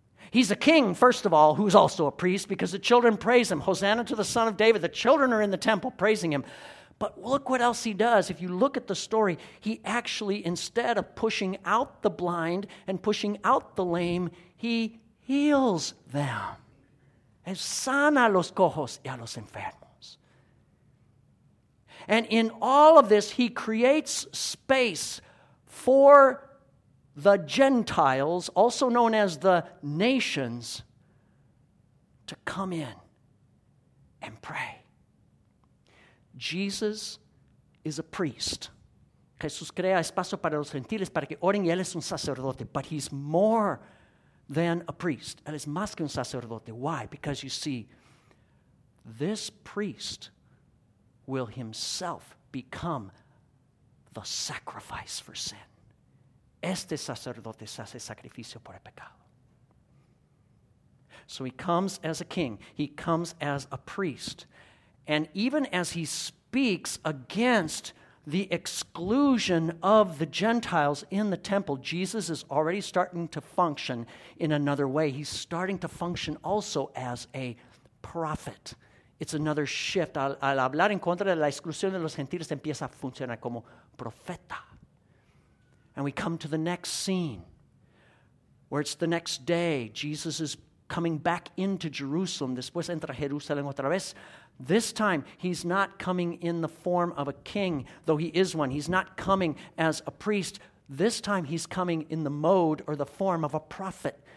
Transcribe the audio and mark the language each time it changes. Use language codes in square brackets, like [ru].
[en] He's a king, first of all, who's also a priest because the children praise him. Hosanna to the Son of David. The children are in the temple praising him. But look what else he does. If you look at the story, he actually, instead of pushing out the blind and pushing out the lame, he heals them. [es] Es sana los cojos y a los enfermos. [en] And in all of this, he creates space for the Gentiles, also known as the nations, to come in and pray. Jesus is a priest. [es] Jesús crea espacio para los gentiles para que oren y él es un sacerdote. [en] But he's more than a priest. [es] Él es más que un sacerdote. [en] Why? Because you see, this priest will himself become the sacrifice for sin. [es] Este sacerdote se hace sacrificio por el pecado. [en] So he comes as a king. He comes as a priest. And even as he speaks against the exclusion of the Gentiles in the temple, Jesus is already starting to function in another way. He's starting to function also as a prophet. It's another shift. [es] Al hablar en contra de la exclusión de los gentiles, empieza a funcionar como profeta. [en] And we come to the next scene, where it's the next day. Jesus is coming back into Jerusalem. [es] Después entra Jerusalén otra vez. [en] This time, he's not coming in the form of a king, though he is one. He's not coming as a priest. This time, he's coming in the mode or the form of a prophet.